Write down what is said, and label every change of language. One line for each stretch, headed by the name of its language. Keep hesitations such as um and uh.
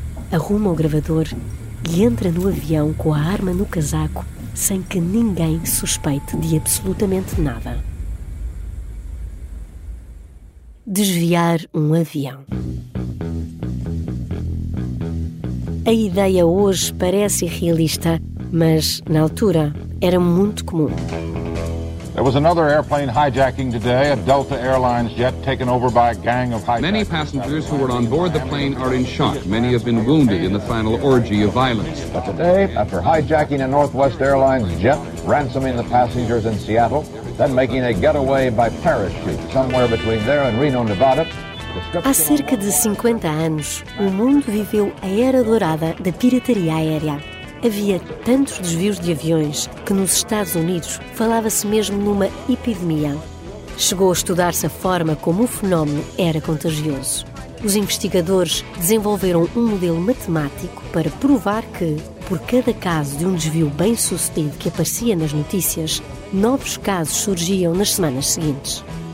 Portuguese: Arruma o gravador e entra no avião com a arma no casaco sem que ninguém suspeite de absolutamente nada. Desviar um avião. A ideia hoje parece irrealista, mas na altura era muito comum.
English: There was another airplane hijacking today, a Delta Airlines jet taken over by a gang of hijackers. Many passengers who were on board the plane are in shock. Many have been wounded in the final orgy of violence. But today, after hijacking a Northwest Airlines jet, ransoming the passengers in Seattle, then making a getaway by parachute somewhere between there and Reno, Nevada, the...
Portuguese: Há cerca de 50 anos, o mundo viveu a era dourada da pirataria aérea. Havia tantos desvios de aviões que nos Estados Unidos falava-se mesmo numa epidemia. Chegou a estudar-se a forma como o fenómeno era contagioso. Os investigadores desenvolveram um modelo matemático para provar que, por cada caso de um desvio bem sucedido que aparecia nas notícias, novos casos surgiam nas semanas seguintes.